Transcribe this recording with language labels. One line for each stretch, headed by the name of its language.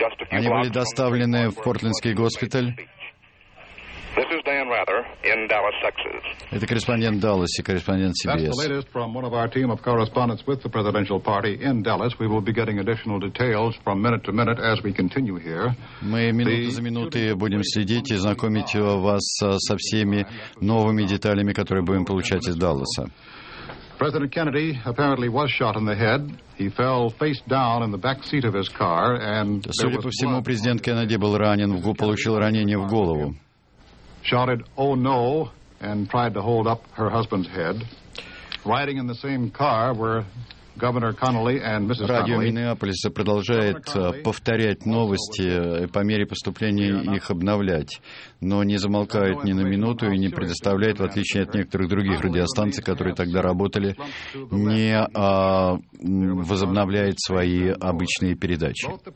Russian: Они были доставлены в Портлендский госпиталь.
English: This is Dan Rather in Dallas, Texas.
Russian: Это корреспондент Далласа, корреспондент CBS.
English: That's the latest from one of our team of correspondents with the presidential party in Dallas. We will be getting additional details from minute to minute as we continue here.
Russian: Мы минуту за минутой будем следить и знакомить вас со всеми новыми деталями, которые будем получать из Далласа.
English: President Kennedy apparently was shot in the head. He fell face down in the back seat of his car, and
Russian: судя по всему, президент Кеннеди был ранен, получил ранение в голову.
English: Shouted, "Oh no!" and tried to hold up her husband's head. Riding in the same car were Governor Connelly and Mrs.
Russian: Радио Миннеаполиса продолжает повторять новости по мере поступления их обновлять, но не замолкает ни на минуту и не предоставляет, в отличие от некоторых других радиостанций, которые тогда работали, не возобновляет свои обычные передачи.